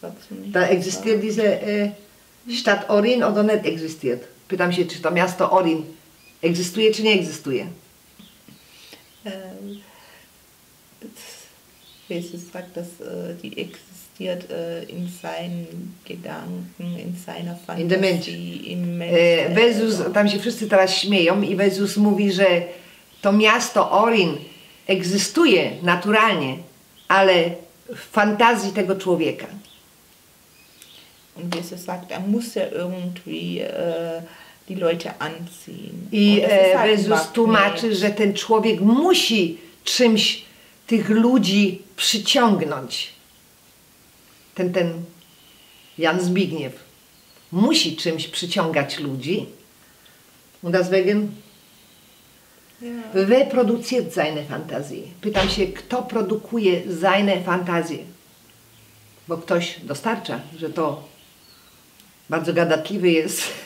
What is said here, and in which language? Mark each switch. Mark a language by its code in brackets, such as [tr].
[de] Da existiert diese Stadt Orin oder nicht existiert? [pl] Pytam się, czy to miasto Orin egzystuje, czy nie egzystuje? [de] Jesus sagt, dass die existiert in seinen Gedanken, in seiner Fantasie, im Menschen. [pl] Jesus, tam się wszyscy teraz śmieją i Jesus mówi, że to miasto Orin egzystuje naturalnie, ale w fantazji tego człowieka. [de] Und Jesus sagt, er muss ja irgendwie die Leute anziehen. [pl] I Jezus tłumaczy, że ten człowiek musi czymś tych ludzi przyciągnąć. Ten Jan Zbigniew musi czymś przyciągać ludzi. [de] Und deswegen reproduziert seine Fantasie. [pl] Pytam się, kto produkuje [de] seine Fantasie? [pl] Bo ktoś dostarcza, że to bardzo gadatliwy jest.